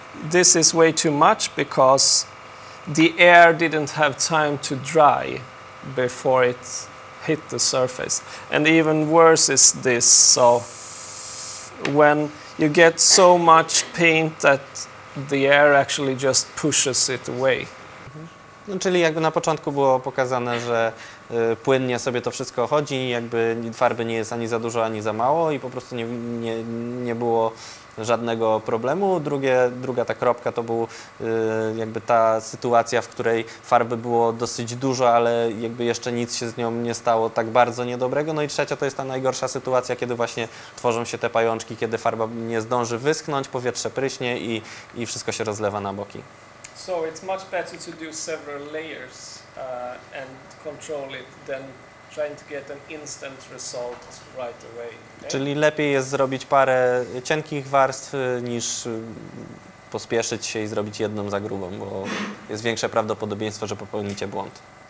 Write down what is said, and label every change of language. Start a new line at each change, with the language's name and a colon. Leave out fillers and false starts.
English: This is way too much because the air didn't have time to dry before it hit the surface, and even worse is this. So when you get so much paint that the air actually just pushes it away.
Polish: No, czyli jakby na początku było pokazane, że płynnie sobie to wszystko chodzi, jakby farby nie jest ani za dużo, ani za mało i po prostu nie było żadnego problemu. Druga ta kropka to był jakby ta sytuacja, w której farby było dosyć dużo, ale jakby jeszcze nic się z nią nie stało tak bardzo niedobrego. No i trzecia to jest ta najgorsza sytuacja, kiedy właśnie tworzą się te pajączki, kiedy farba nie zdąży wyschnąć, powietrze pryśnie i wszystko się rozlewa na boki.
English: So it's much better to do several layers and control it than trying to get an instant result right away. Okay?
Polish: Czyli lepiej jest zrobić parę cienkich warstw niż pospieszyć się i zrobić jedną za grubą, bo jest większe prawdopodobieństwo, że popełnicie błąd.